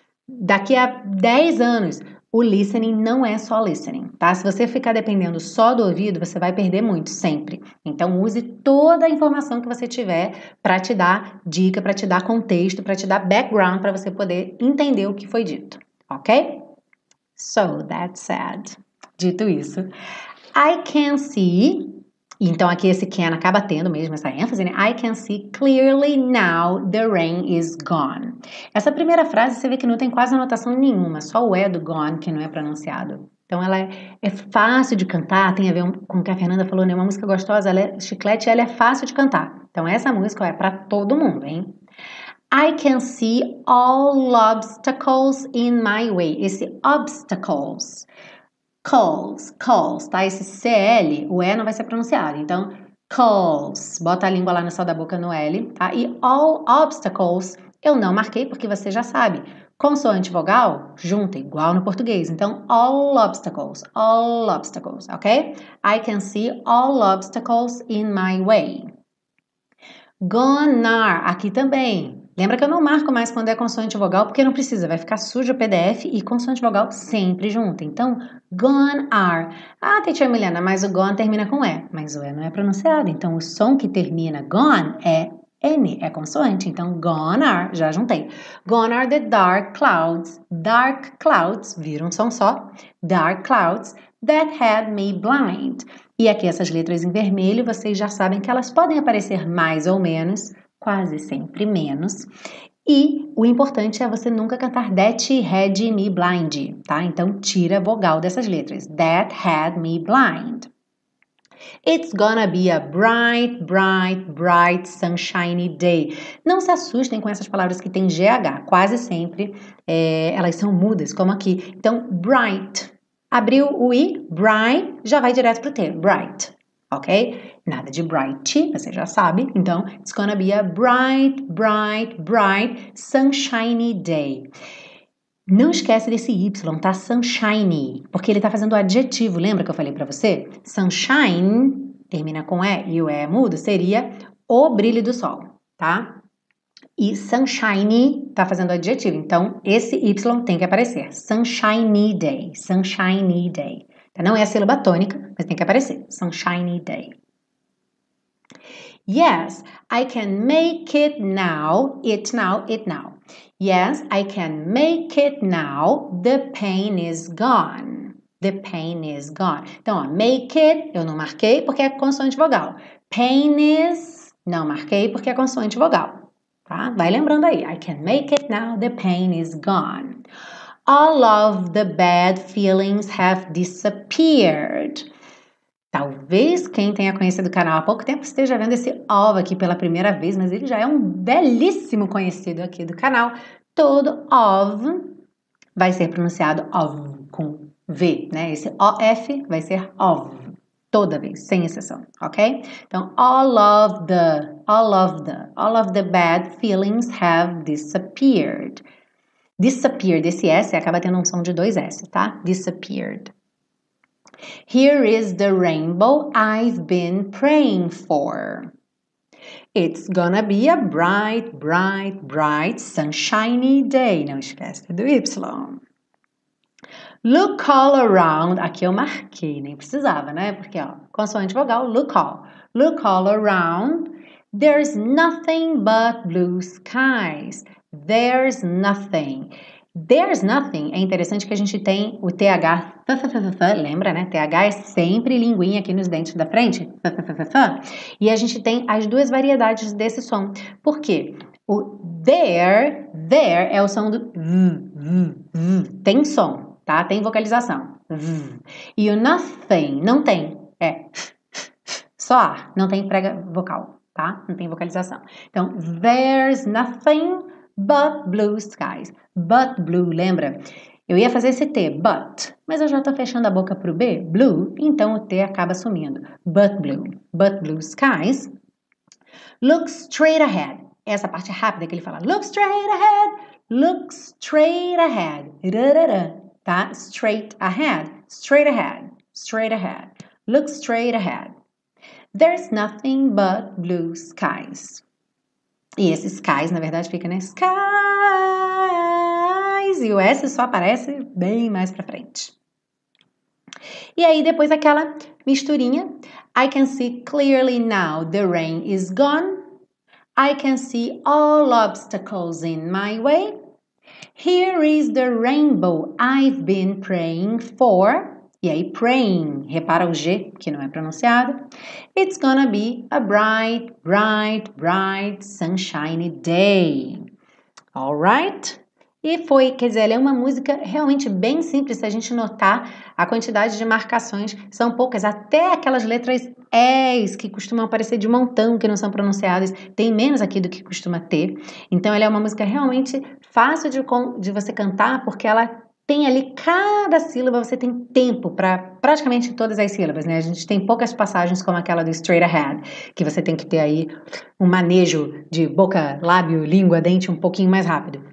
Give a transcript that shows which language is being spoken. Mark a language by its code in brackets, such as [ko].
[pt] Daqui a 10 anos, o listening não é só listening, tá? Se você ficar dependendo só do ouvido, você vai perder muito, sempre. Então, use toda a informação que você tiver para te dar dica, para te dar contexto, para te dar background, para você poder entender o que foi dito, ok? [en] So, that said, [pt] dito isso, [en] I can see. [pt] Então, aqui esse can acaba tendo mesmo essa ênfase, né? [en] I can see clearly now the rain is gone. [pt] Essa primeira frase você vê que não tem quase anotação nenhuma, só o E do gone que não é pronunciado. Então, ela é fácil de cantar, tem a ver com o que a Fernanda falou, né? Uma música gostosa, ela é chiclete, ela é fácil de cantar. Então, essa música é para todo mundo, hein? [en] I can see all obstacles in my way. [pt] Esse obstacles. Calls, calls, tá? Esse CL, o E não vai ser pronunciado. Então, calls, bota a língua lá no céu da boca no L, tá? E all obstacles, eu não marquei porque você já sabe. Consoante vogal, junta, igual no português. Então, all obstacles, ok? [en] I can see all obstacles in my way. [pt] Gonna, aqui também. Lembra que eu não marco mais quando é consoante vogal, porque não precisa, vai ficar sujo o PDF e consoante vogal sempre junto. Então, gone are. Ah, Tietchan Milena, mas o gone termina com E. Mas o E não é pronunciado, então o som que termina gone é N, é consoante. Então, gone are, já juntei. [en] Gone are the dark clouds. Dark clouds, vira um som só. Dark clouds that had me blind. [pt] E aqui essas letras em vermelho, vocês já sabem que elas podem aparecer mais ou menos. Quase sempre menos. E o importante é você nunca cantar [en] That Had Me Blind, [pt] tá? Então tira a vogal dessas letras. [en] That Had Me Blind. It's gonna be a bright, bright, bright sunshiny day. [pt] Não se assustem com essas palavras que têm GH. Quase sempre elas são mudas, como aqui. Então, bright. Abriu o I, bright, já vai direto pro T, bright. Ok? Nada de bright, você já sabe. [en] Então, it's gonna be a bright, bright, bright, sunshiny day. [pt] Não esquece desse Y, tá? Sunshiny. Porque ele tá fazendo adjetivo, lembra que eu falei pra você? Sunshine, termina com E e o E é mudo, seria o brilho do sol, tá? E sunshiny está fazendo adjetivo. Então, esse Y tem que aparecer. [en] Sunshiny day. Sunshiny day. [pt] Então, não é a sílaba tônica, mas tem que aparecer. [en] Sunshiny day. Yes, I can make it now. It now, it now. Yes, I can make it now. The pain is gone. The pain is gone. [pt] Então, ó, make it, eu não marquei porque é consoante vogal. Pain is, não marquei porque é consoante vogal. Tá? Vai lembrando aí. [en] I can make it now. The pain is gone. All of the bad feelings have disappeared. [pt] Talvez quem tenha conhecido o canal há pouco tempo esteja vendo esse all aqui pela primeira vez, mas ele já é um belíssimo conhecido aqui do canal. Todo of vai ser pronunciado of com V, né? Esse OF vai ser of, toda vez, sem exceção, ok? Então, all of the bad feelings have disappeared. Disappeared, esse S acaba tendo um som de dois S, tá? Disappeared. [en] Here is the rainbow I've been praying for. It's gonna be a bright, bright, bright, sunshiny day. [pt] Não esquece do Y. [en] Look all around. [pt] Aqui eu marquei, nem precisava, né? Porque, ó, consoante vogal, [en] look all. Look all around. There's nothing but blue skies. There's nothing. There's nothing. [pt] É interessante que a gente tem o TH, lembra, né? TH é sempre linguinha aqui nos dentes da frente. E a gente tem as duas variedades desse som. Por quê? O there, there é o som do v, v, v. Tem som, tá? Tem vocalização. V. E o nothing, não tem. É só ar, não tem prega vocal, tá? Não tem vocalização. Então, there's nothing but blue skies. But blue, lembra? Eu ia fazer esse T, but, mas eu já tô fechando a boca pro B, blue, então o T acaba sumindo. [en] But blue skies. Look straight ahead. [pt] Essa parte rápida que ele fala, [en] look straight ahead, look straight ahead. Rarara, tá? Straight ahead, straight ahead, straight ahead. Look straight ahead. There's nothing but blue skies. [pt] E esse skies, na verdade, fica, né? Skies! E o S só aparece bem mais pra frente. E aí, depois aquela misturinha. [en] I can see clearly now the rain is gone. I can see all obstacles in my way. Here is the rainbow I've been praying for. [pt] E aí, praying, repara o G, que não é pronunciado. [en] It's gonna be a bright, bright, bright, sunshiny day. All right? [pt] E foi, quer dizer, ela é uma música realmente bem simples, se a gente notar a quantidade de marcações, são poucas, até aquelas letras E's que costumam aparecer de montão, que não são pronunciadas, tem menos aqui do que costuma ter. Então, ela é uma música realmente fácil de você cantar, porque ela tem ali cada sílaba, você tem tempo para praticamente todas as sílabas, né? A gente tem poucas passagens como aquela do straight ahead, que você tem que ter aí um manejo de boca, lábio, língua, dente um pouquinho mais rápido.